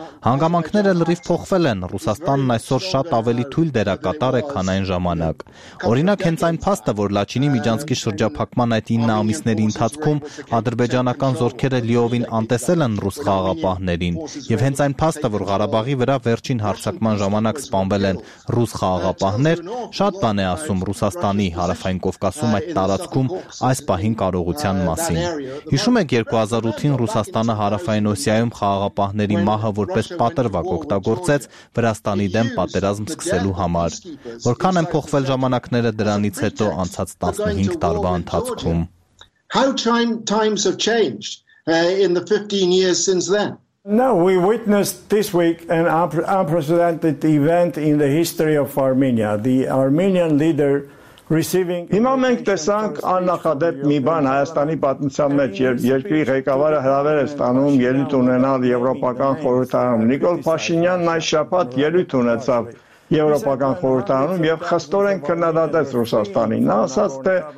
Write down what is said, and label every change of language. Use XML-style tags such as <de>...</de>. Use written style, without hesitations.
<hy>Հանգամանքները լրիվ փոխվել են, Ռուսաստանն այսօր շատ ավելի թույլ դերակատար է, քան այն ժամանակ։ Օրինակ, հենց այն փաստը, որ Լաչինի միջանցքի շրջափակման այդ 9 ամիսների ընթացքում ադրբեջանական զորքերը լիովին անտեսել են ռուս խաղապահներին, և հենց այն փաստը, որ Ղարաբաղի վրա վերջին հարձակման ժամանակ սպանվել են ռուս խաղապահներ, շատ բան է ասում Ռուսաստանի հարավային Կովկասում այդ տարածքում այս պահին կարողության մասին։ Հիշում եք 2008-ին Ռուսաստանը Հարավային Օսիայում խաղապահների մահը որպես պատրվակ օգտագործեց Վրաստանի դեմ պատերազմ սկսելու համար։ Որքան են փոխվել ժամանակները դրանից հետո անցած 15 տարվա ընթացքում։</hy> <en>How times have changed in the 15 years since then. No, we witnessed this week an unprecedented event in the history of Armenia. The Armenian leader receiving.</en> <hy>Հիմա մենք տեսանք աննախադեպ մի բան Հայաստանի պատմության մեջ, երբ երկրի ղեկավարը հրավեր է ստանում ելույթ ունենալ եվրոպական խորհրդարանում։ Նիկոլ Փաշինյանն այս շաբաթ ելույթ ունեցավ եվրոպական խորհրդարանում եւ խստորեն քննադատեց Ռուսաստանին։ Նա ասաց, թե</hy>